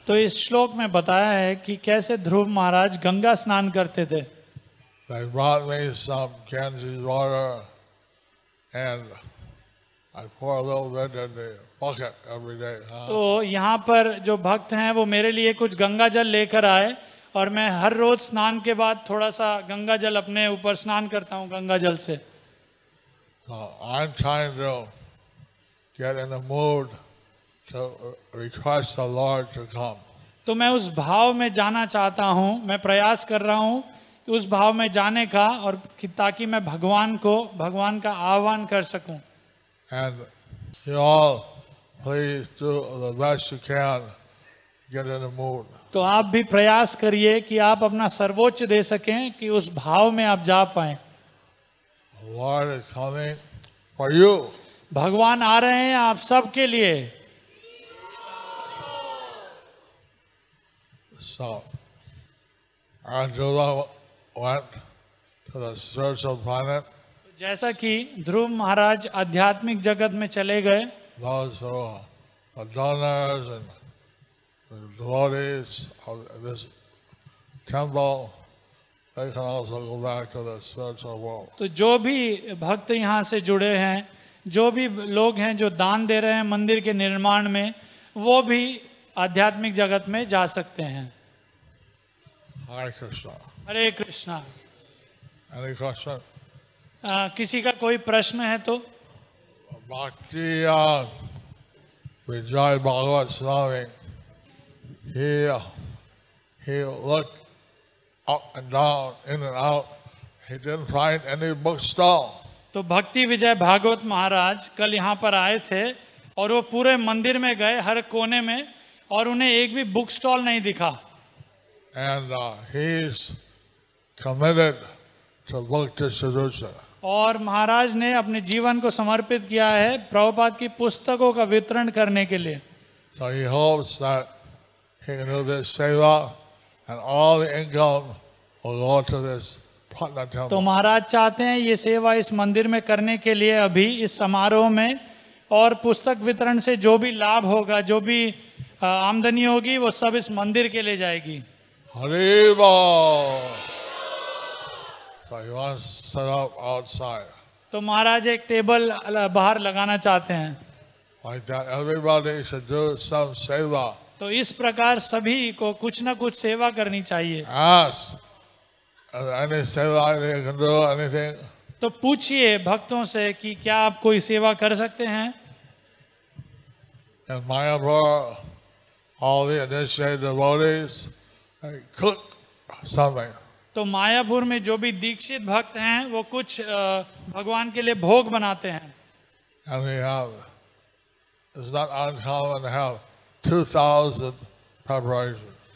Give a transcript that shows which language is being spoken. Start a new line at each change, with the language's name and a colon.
Hindi: तो इस श्लोक में बताया है कि कैसे ध्रुव महाराज गंगा स्नान करते थे।
English: They brought me some Ganges water and I pour a little bit in the bucket every day.
Hindi: तो यहाँ पर जो भक्त हैं वो मेरे लिए कुछ गंगा जल लेकर आए और मैं हर रोज स्नान के बाद थोड़ा सा गंगा जल अपने ऊपर स्नान करता हूँ गंगा जल से।
English: I'm trying to get in the mood to request the Lord to come.
Hindi: तो मैं उस भाव में जाना चाहता हूँ, मैं प्रयास कर रहा हूँ उस भाव में जाने का और ताकि मैं भगवान का आह्वान कर सकूं।
English: And you all please do the best you can get in the mood.
Hindi: तो आप भी प्रयास करिए कि आप अपना सर्वोच्च दे सकें कि उस भाव में आप जा पाएं।
English: Lord is coming for you.
Hindi: भगवान आ रहे हैं आप सबके लिए।
English: So, Angela went to the spiritual planet.
Hindi: जैसा कि ध्रुव महाराज आध्यात्मिक जगत में चले गए, तो जो भी भक्त यहाँ से जुड़े हैं, जो भी लोग हैं जो दान दे रहे हैं मंदिर के निर्माण में, वो भी आध्यात्मिक जगत में जा सकते हैं। हरे कृष्णा।
English: Any question?
Hindi: किसी का कोई प्रश्न है तो
English: Bhakti Vijay Bhagavat Swami he looked up and down, in and out. He didn't find any bookstore.
Hindi: तो भक्ति विजय भागवत महाराज कल यहाँ पर आए थे और वो पूरे मंदिर में गए हर कोने में और उन्हें एक भी बुक स्टॉल नहीं दिखा।
English: And he's committed to book distribution.
Hindi: और महाराज ने अपने जीवन को समर्पित किया है प्रभुपाद की पुस्तकों का वितरण करने के लिए।
English: So he hopes that he can do this seva and all the income will go to this Patna temple.
Hindi: तो महाराज चाहते हैं ये सेवा इस मंदिर में करने के लिए अभी इस समारोह में और पुस्तक वितरण से जो भी लाभ होगा, जो भी आमदनी होगी वो सब इस मंदिर के लिए जाएगी। हरे बोल।
English: So he wants to set up outside.
Hindi: तो महाराज एक टेबल बाहर लगाना चाहते हैं।
English: Like that, everybody should do some seva.
Hindi: तो इस प्रकार सभी को कुछ न कुछ सेवा करनी चाहिए।
English: Ask any seva, they can do anything.
Hindi: तो पूछिए भक्तों से कि क्या आप कोई सेवा कर सकते हैं।
English: In Mayapur, all the initiated devotees cook something.
Hindi: तो मायापुर में जो भी दीक्षित भक्त हैं वो कुछ भगवान के लिए भोग बनाते हैं।
English: And we have, it's not uncommon to have 2,000 preparations.